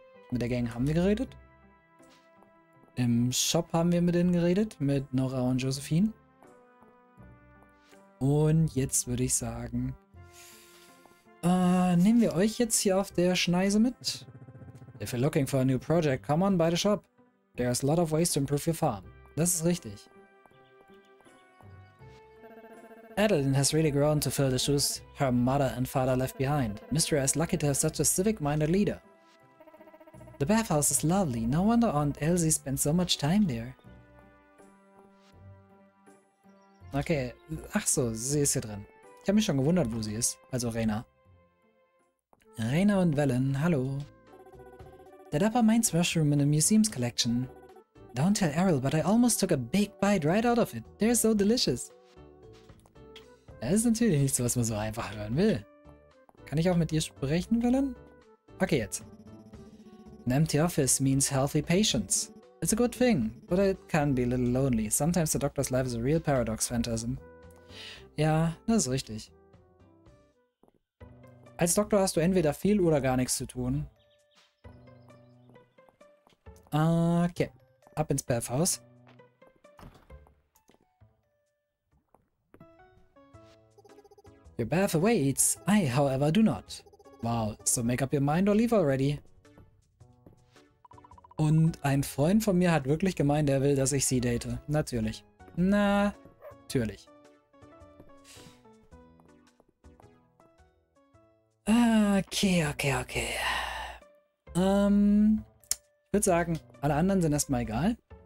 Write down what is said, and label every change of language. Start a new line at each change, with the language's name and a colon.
German: Mit der Gang haben wir geredet. Im Shop haben wir mit denen geredet, mit Nora und Josephine. Und jetzt würde ich sagen, nehmen wir euch jetzt hier auf der Schneise mit.
English: If you're looking for a new project, come on by the shop. There's a lot of ways to improve your farm.
German: Das ist richtig.
English: Adeline has really grown to fill the shoes her mother and father left behind. Mistria is lucky to have such a civic-minded leader. The bathhouse is lovely. No wonder Aunt Elsie spent so much time there.
German: Okay, ach so, sie ist hier drin. Ich habe mich schon gewundert, wo sie ist. Also Reyna. Reyna und Velen, hallo.
English: The Dapper Mines Mushroom in the Museum's Collection. Don't tell Errol, but I almost took a big bite right out of it. They're so delicious.
German: Das ist natürlich nichts, was man so einfach hören will. Kann ich auch mit dir sprechen, Velen? Okay, jetzt.
English: An empty office means healthy patients. It's a good thing, but it can be a little lonely. Sometimes the doctor's life is a real paradox phantasm.
German: Ja, das ist richtig. Als Doktor hast du entweder viel oder gar nichts zu tun. Okay, ab ins Bathhaus.
English: Your bath awaits. I, however, do not. Wow, so make up your mind or leave already.
German: Und ein Freund von mir hat wirklich gemeint, er will, dass ich sie date. Natürlich. Na, natürlich. Okay, okay, okay. Ich würde sagen, alle anderen sind erstmal egal.